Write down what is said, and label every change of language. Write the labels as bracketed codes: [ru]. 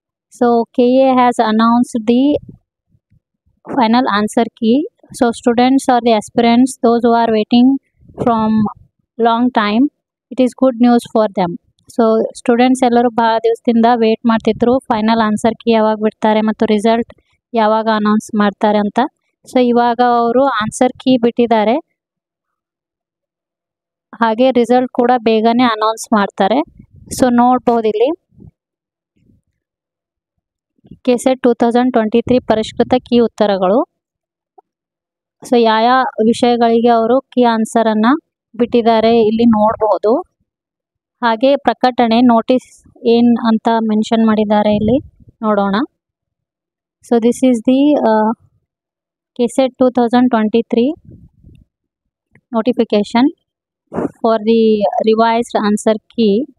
[en] So KEA has announced the final answer key. So students or the aspirants, those who are waiting from long time, it is good news for them. So students [kn] ellaru baa divasinda wait martidru final answer key avaga bittare matu result ಯಾವಾಗ announce ಮಾಡ್ತಾರೆ ಅಂತ. So ಇವಾಗ ಅವರು answer key ಬಿಟ್ಟಿದ್ದಾರೆ, ಹಾಗೆ result ಕೂಡ ಬೇಗನೆ announce ಮಾಡ್ತಾರೆ. ಸೊ ನೋಡ್ಬೋದು ಇಲ್ಲಿ ಕೆಸೆಟ್ 2023 ಪರಿಷ್ಕೃತ ಕೀ ಉತ್ತರಗಳು. ಸೊ ಯಾವ ವಿಷಯಗಳಿಗೆ ಅವರು ಕೀ ಆನ್ಸರನ್ನು ಬಿಟ್ಟಿದ್ದಾರೆ ಇಲ್ಲಿ ನೋಡ್ಬೋದು. ಹಾಗೆ ಪ್ರಕಟಣೆ ನೋಟಿಸ್ ಏನ್ ಅಂತ ಮೆನ್ಷನ್ ಮಾಡಿದ್ದಾರೆ ಇಲ್ಲಿ ನೋಡೋಣ. [en] So this is the KSET 2023 notification for the revised answer key.